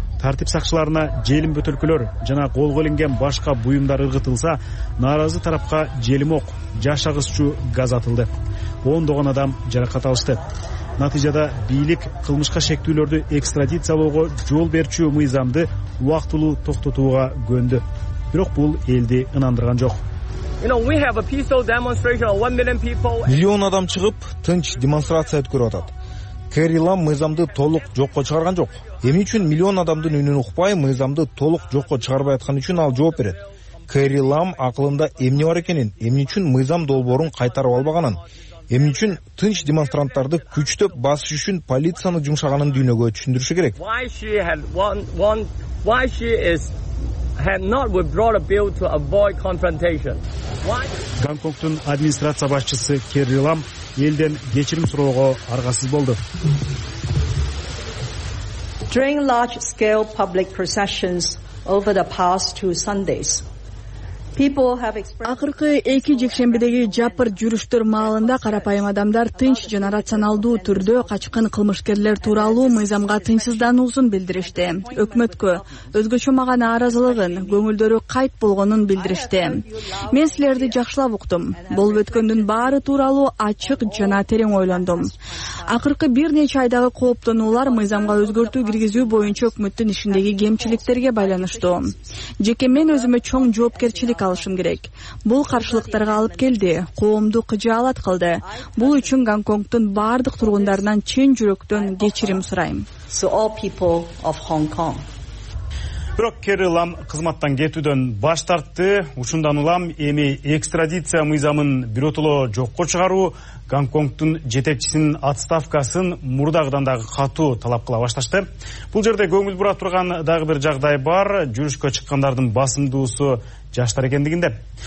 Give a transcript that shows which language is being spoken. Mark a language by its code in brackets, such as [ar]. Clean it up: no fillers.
[ky] Тартип сакчыларына желим бөтөлкөлөр жана колго илинген башка буюмдар ыргытылса, нааразы тарапка желим ок, жаш агызчу газ атылды. Ондогон адам жаракат алышты. Натыйжада бийлик кылмышка шектүүлөрдү экстрадициялоого жол берчү мыйзамды убактылуу токтотууга көндү. Бирок бул элди ынандырган жок. [en] We have a peaceful demonstration of 1 million people. [ky] Миллион адам чыгып, тынч демонстрация өткөрүп атат. Керри Лам мыйзамды толук жокко чыгарган жок. Эмне үчүн миллион адамдын үнүн укпай, мыйзамды толук жокко чыгарбай аткан үчүн ал жооп берет. Керри Лам акылында эмне бар экенин, эмне үчүн мыйзам долбоорун кайтарып албаганын, Эмне үчүн тынч демонстранттарды күчтөп басыш үчүн полицияны жумшаганын дүйнөгө түшүндүрүшү керек. Гонконгтун администрация башчысы Кэрри Лам элден кечирим суроого аргасыз болду. [en] During large-scale public processions over the past two Sundays, [ky] акыркы эки жекшембидеги жапыр жүрүштөр маалында карапайым адамдар тынч жана рационалдуу түрдө качкын кылмышкерлер тууралуу мыйзамга тынчсыздануусун билдиришти. Өкмөткө өзгөчө мага нааразылыгын, көңүлдөрү кайт болгонун билдиришти. Мен силерди жакшылап уктум. Болуп өткөндүн баары тууралуу ачык жана терең ойлондум. Акыркы бир нече айдагы кооптонуулар мыйзамга өзгөртүү киргизүү боюнча өкмөттүн ишиндеги кемчиликтерге байланыштуу. Жеке мен өзүмө чоң жоопкерчилик алышым керек. Бул каршылыктарга алып келди, коомду кыжаалат кылды. Бул үчүн Гонконгтун бардык тургундарынан чын жүрөктөн кечирим сурайм. [en] So all people of Hong Kong. [ky] Бирок Кэрри Лам кызматтан кетүүдөн баш тартты. Ушундан улам эми экстрадиция мыйзамын биротоло жокко чыгаруу Гонконгтун жетекчисинин отставкасын мурдагыдан дагы катуу талап кыла башташты. Бул жерде көңүл бура турган дагы бир жагдай бар. Жүрүшкө чыккандардын басымдуусу жаштар экендигинде.